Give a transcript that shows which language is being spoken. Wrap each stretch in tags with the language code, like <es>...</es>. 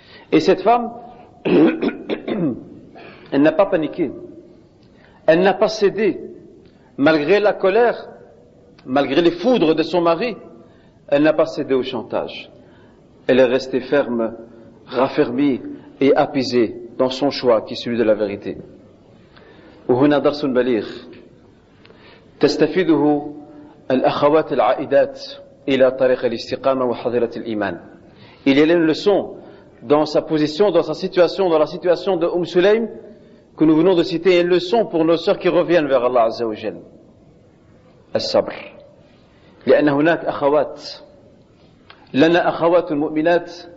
<fr>Et cette femme, elle n'a pas paniqué. Elle n'a pas cédé malgré la colère. Malgré les foudres de son mari, elle n'a pas cédé au chantage. Elle est restée ferme, raffermie et apaisée dans son choix qui est celui de la vérité.</fr> <ar>وهنا درس بليغ تستفيده الأخوات العائدات إلى طريق الاستقامة وحضرة الإيمان.</ar> <fr>Il y a une leçon dans sa position, dans sa situation, dans la situation de Umm Sulaym que nous venons de citer. Une leçon pour nos sœurs qui reviennent vers Allah Azza wa Jal.</fr> <ar>الصبر لأن هناك أخوات لنا أخوات مؤمنات</ar>